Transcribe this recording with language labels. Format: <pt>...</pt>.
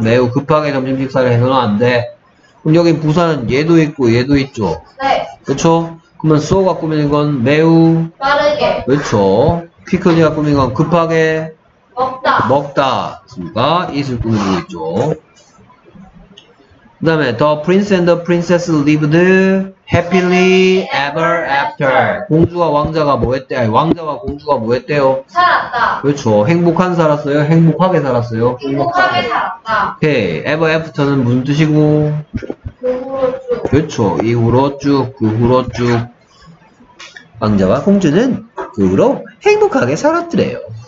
<ko>매우 급하게 점심 식사를 해서는 안 돼. 그럼 여기 부산은 얘도 있고 얘도 있죠. 네. 그렇죠. 그러면 so가 꾸미는 건 매우 빠르게. 그렇죠. quickly가 꾸미는 건 급하게 먹다. 먹다. 그러니까 it을 꾸미고 있죠. 그 다음에</ko> <en>the prince and the princess lived happily ever after.</en> <ko>공주와 왕자가 뭐 했대? 아니, 왕자와 공주가 뭐 했대요? 살았다. 그렇죠. 행복한 살았어요? 행복하게 살았어요? 행복하게 살았다. 오케이. ever after는 무슨 뜻이고? 그 후로 쭉. 그쵸. 이후로 쭉, 그 후로 쭉. 왕자와 공주는 그 후로 행복하게 살았더래요.</ko>